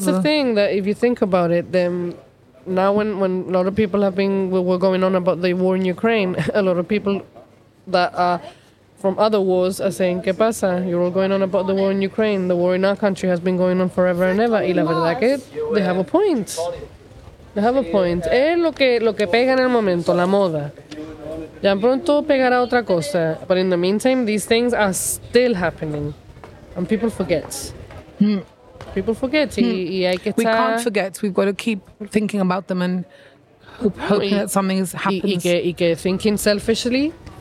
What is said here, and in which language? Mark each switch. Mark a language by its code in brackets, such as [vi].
[en] But that's the thing, that if you think about it, then now when a lot of people have been, were going on about the war in Ukraine, a lot of people that are from other wars are saying, [es] ¿qué pasa? [en] You're all going on about the war in Ukraine. The war in our country has been going on forever and ever. [es] Y la verdad que [en] they have a point. They have a point. [es] Es lo que pega en el momento, la moda. Ya pronto pegará otra cosa. [en] But in the meantime, these things are still happening. And people forget. People forget. [es] Y hay que estar... [en] We can't forget. We've got to keep thinking about them and hoping that something happens. [es] Y que [en] thinking selfishly...